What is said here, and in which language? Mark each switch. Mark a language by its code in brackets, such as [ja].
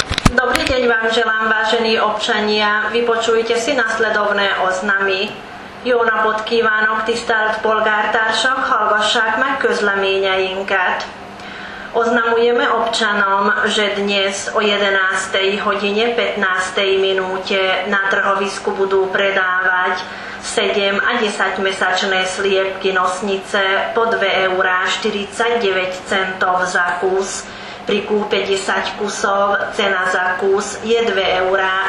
[sk] Dobrý deň vám želám, vážení občania. Vypočujte si nasledovné oznamy. [hu] Jó napot kívánok, tisztelt polgártársak, hallgassák meg közleményeinket. [sk] Oznamujeme občanom, že dnes o 11. hodine 15. minúte na trhovisku budú predávať 7 a 10 mesačné sliepky nosnice po 2,49 eur za kus. Pri kúpe 10 kusov cena za kus je 2,19 eur.